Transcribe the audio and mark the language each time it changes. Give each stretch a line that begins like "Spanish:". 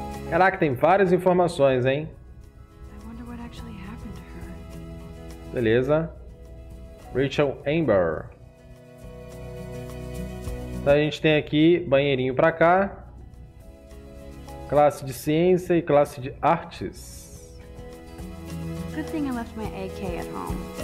Portuguese: Caraca, tem várias informações, hein?
English: I wonder what actually happened to her.
Portuguese: Beleza. Rachel Amber. Então a gente tem aqui banheirinho pra cá. Classe de ciência e classe de artes.
English: Good thing I left my AK at home.